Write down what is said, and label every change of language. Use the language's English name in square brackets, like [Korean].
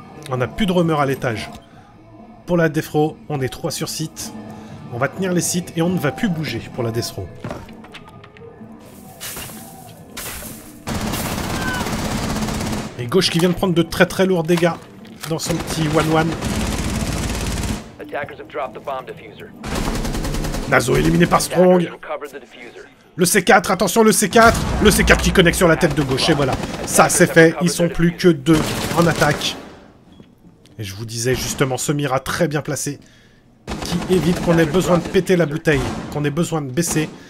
[French] On n'a plus de rumeur à l'étage. Pour la Destro, on est 3 sur site. On va tenir les sites et on ne va plus bouger pour la Destro. Et gauche qui vient de prendre de très très lourds dégâts dans son petit 1-1. [English] attackers have dropped the bomb diffuser. [French] Nazo éliminé par Strong. Le C4, attention le C4. Le C4 qui connecte sur la tête de gaucher, voilà. Ça, c'est fait. Ils sont plus que deux en attaque. Et je vous disais justement, ce Mira très bien placé. Qui évite qu'on ait besoin de péter la bouteille. Qu'on ait besoin de baisser.